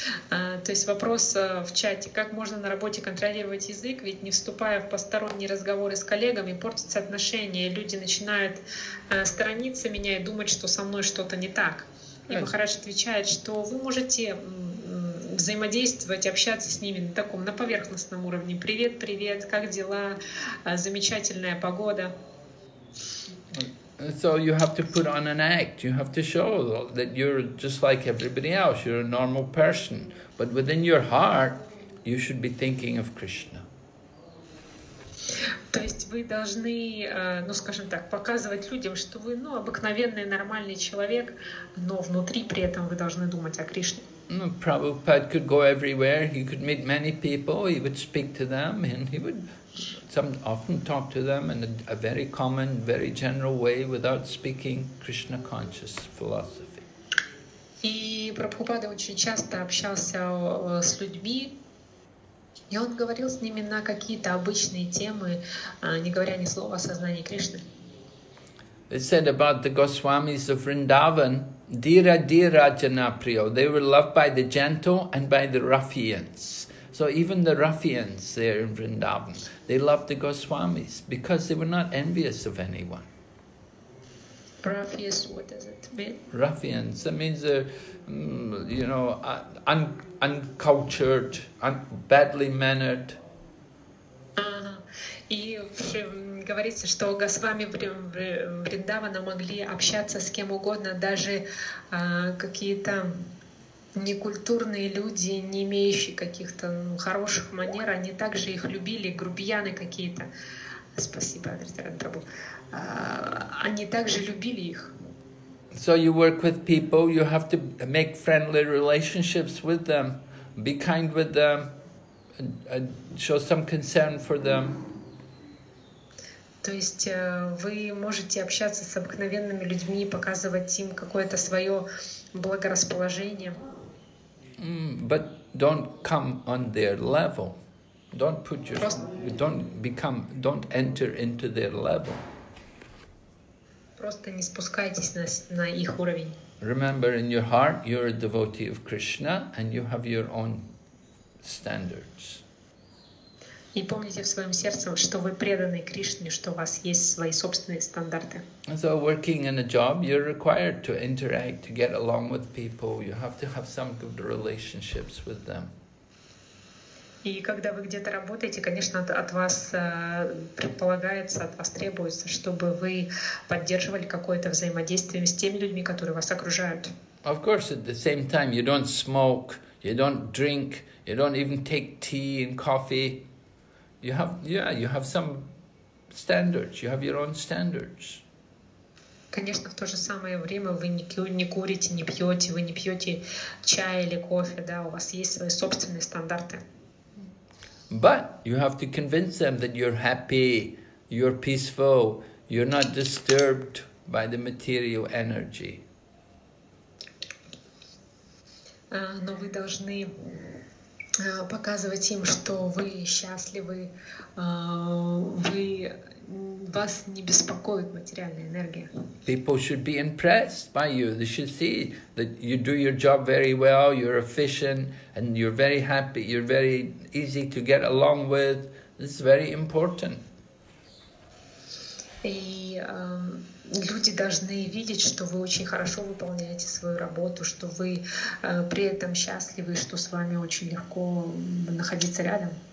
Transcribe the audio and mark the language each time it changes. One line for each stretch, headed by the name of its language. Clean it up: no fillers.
Russian: То есть вопрос в чате, как можно на работе контролировать язык, ведь не вступая в посторонние разговоры с коллегами, портятся отношения, люди начинают сторониться меня и думать, что со мной что-то не так. И Махарадж отвечает, что вы можете взаимодействовать, общаться с ними на таком, на поверхностном уровне. Привет, привет, как дела, замечательная погода.
English: So you have to put on an act. You have to show that you're just like everybody else. You're a normal person. But within your heart, you should be thinking of Krishna.
Russian: То есть вы должны, ну скажем так, показывать людям, что вы, ну, обыкновенный, нормальный человек, но внутри при этом вы должны думать о Кришне.
English: Ну, Prabhupada could go everywhere. He could meet many people. He would speak to them and he would... Some often talk to them in a very common, very general way without speaking Krishna conscious philosophy.
Russian: И Прабхупада очень часто общался с людьми, и он говорил с ними на какие-то обычные темы, не говоря ни слова о сознании Кришны.
English: They said about the Goswamis of Vrindavan, Dira Dira Janaprio. They were loved by the gentle and by the ruffians. So even the ruffians there in Vrindavan, they loved the Goswamis because they were not envious of anyone. Ruffians, what does it mean? Ruffians, that means they're, you know, uncultured, badly mannered.
Russian: И говорится, что Госвами Вриндавана могли общаться с кем угодно, даже какие-то... Некультурные люди, не имеющие каких-то хороших манер, они также их любили, грубияны какие-то. Спасибо, Адритаран Прабху. Они также любили их.
English: So you work with people, you have to make friendly relationships with them, be kind with them, show some concern for them.
Russian: То есть вы можете общаться с обыкновенными людьми, показывать им какое-то свое благорасположение.
English: But don't come on their level. Don't put your. Don't enter into their level.
Russian: Просто не спускайтесь на их уровень.
English: Remember, in your heart, you're a devotee of Krishna, and you have your own standards.
Russian: И помните в своем сердце, что вы преданы Кришне, что у вас есть свои собственные стандарты.
English: So working in a job, you're required to interact, to get along with people. You have to have some good relationships with them.
Russian: И когда вы где-то работаете, конечно, от вас предполагается, от вас требуется, чтобы вы поддерживали какое-то взаимодействие с теми людьми, которые вас окружают.
English: Of course, at the same time, you don't smoke, you don't drink, you don't even take tea and coffee. You have, yeah, you have some standards. You have your own standards.
Russian: Конечно, в то же самое время вы не курите, не пьете, вы не пьете чай или кофе, да? У вас есть свои собственные стандарты.
English: But you have to convince them that you're happy, you're peaceful, you're not disturbed by the material energy.
Russian: Но вы должны показывать им, что вы счастливы, вас не беспокоит материальная энергия.
English: People should be impressed by you. They should see that you do your job very well, you're efficient, and you're very happy, you're very easy to get along with. This is very important.
Russian: И люди должны видеть, что вы очень хорошо выполняете свою работу, что вы при этом счастливы, что с вами очень легко находиться рядом.